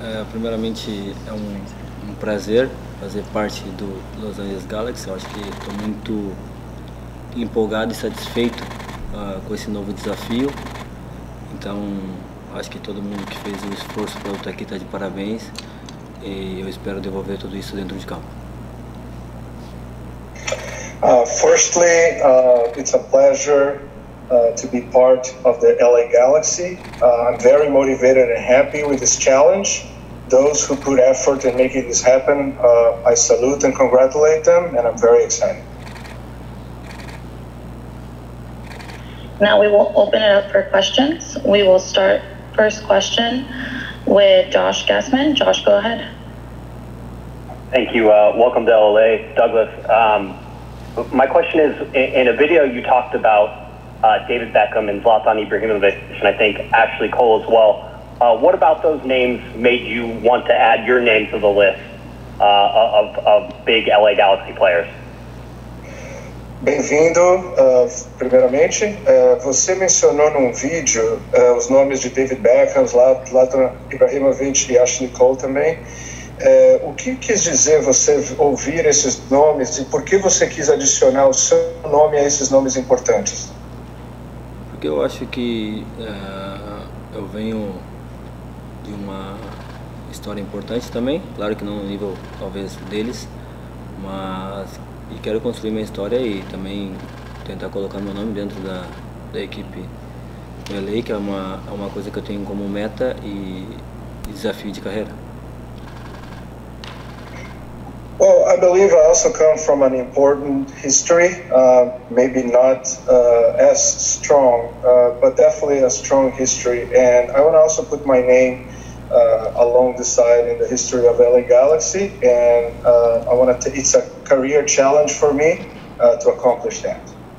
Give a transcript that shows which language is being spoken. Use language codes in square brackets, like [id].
[pt] Primeramente, é um prazer fazer parte do Los Angeles Galaxy. Eu acho que estou muito empolgado e satisfeito com esse novo desafio. Então, acho que todo mundo que fez o esforço para eu estar aqui está de parabéns. E eu espero devolver tudo isso dentro de campo. [en] Firstly, it's a pleasure to be part of the LA Galaxy. I'm very motivated and happy with this challenge. Those who put effort in making this happen, I salute and congratulate them, and I'm very excited. Now we will open it up for questions. We will start first question with Josh Gassman. Josh, go ahead. Thank you. Welcome to LA, Douglas. My question is, in a video you talked about David Beckham and Zlatan Ibrahimovic, and I think Ashley Cole as well. What about those names made you want to add your name to the list of big LA Galaxy players? [pt] Bem-vindo, primeiramente. Você mencionou num vídeo os nomes de David Beckham, Zlatan Ibrahimovic e Ashley Cole também. O que quis dizer você ouvir esses nomes e por que você quis adicionar o seu nome a esses nomes importantes? Porque eu acho que eu venho de uma história importante também, claro que não no nível talvez deles, mas e quero construir minha história e também tentar colocar meu nome dentro da equipe do LA, que é uma coisa que eu tenho como meta e desafio de carreira. [en] Well, I believe I also come from an important history, maybe not as strong, but definitely a strong history, and I want to also put my name along the side in the history of LA Galaxy, and I want to it's a career challenge for me to accomplish that.